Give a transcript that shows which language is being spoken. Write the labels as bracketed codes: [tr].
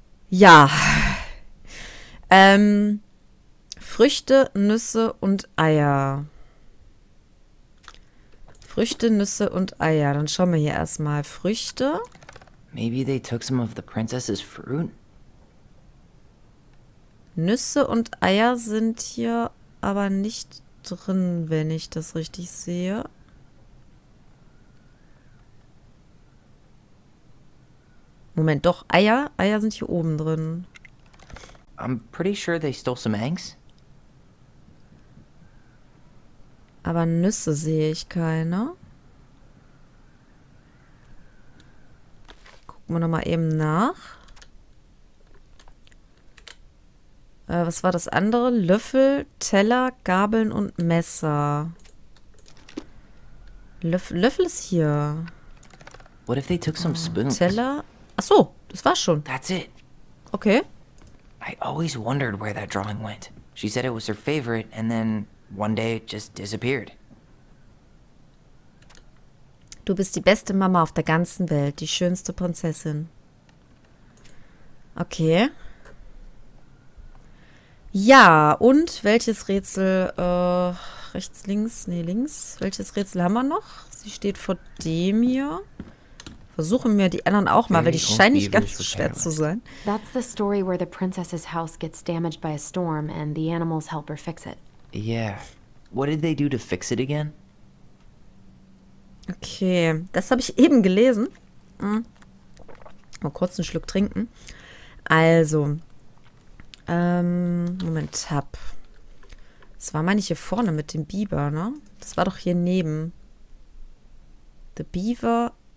[de] Ja. Früchte, Nüsse und Eier. Früchte, Nüsse und Eier. Dann schauen wir hier erstmal. Früchte. [en] Maybe they took some of the princess's fruit. [de] Nüsse und Eier sind hier aber nicht drin, wenn ich das richtig sehe. Moment, doch, Eier? Eier sind hier oben drin. [en] I'm pretty sure they stole some eggs. [de] Aber Nüsse sehe ich keine. Gucken wir nochmal eben nach. Was war das andere? Löffel, Teller, Gabeln und Messer. Löffel ist hier. [en] What if they took some spoons? [de] Teller. Ach so, das war's schon. [en] That's it. Okay. I always wondered where that drawing went. She said it was her favorite and then one day it just disappeared. [de] Du bist die beste Mama auf der ganzen Welt, die schönste Prinzessin. Okay. Ja, und welches Rätsel, rechts, links, nee, links. Welches Rätsel haben wir noch? Sie steht vor dem hier. Versuchen wir die anderen auch mal, weil die scheinen nicht ganz so schwer zu sein. [en] That's the story where the princess's house gets damaged by a storm and the animals help her fix it. Yeah. What did they do to fix it again? [de] Okay, das habe ich eben gelesen. Hm. Mal kurz einen Schluck trinken. Also, Moment, Tab. Das war, meine ich, hier vorne mit dem Biber, ne? Das war doch hier neben. The Beaver.